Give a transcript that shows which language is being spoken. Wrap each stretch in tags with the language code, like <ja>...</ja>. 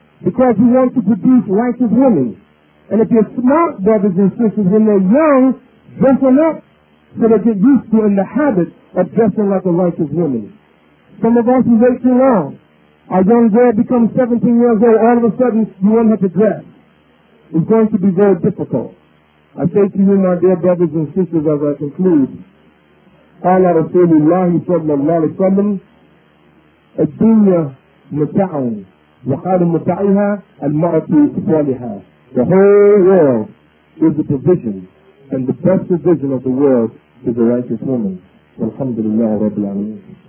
<en>Because you want to produce righteous women. And if you're smart, brothers and sisters, when they're young, dress them up so they get used to in the habit of dressing like a righteous woman. Some of us, we wait too long. A young girl becomes 17 years old, all of a sudden, you want her to dress. It's going to be very difficult. I say to you, my dear brothers and sisters, as I conclude,</en> <ar>قال رسول الله صلى الله عليه وسلم الدنيا متاع وقال متاعها المرأة صالحة.</ar> <en>The whole world is a provision, and the best provision of the world is a righteous woman.</en> <ar>والحمد لله رب العالمين.</ar>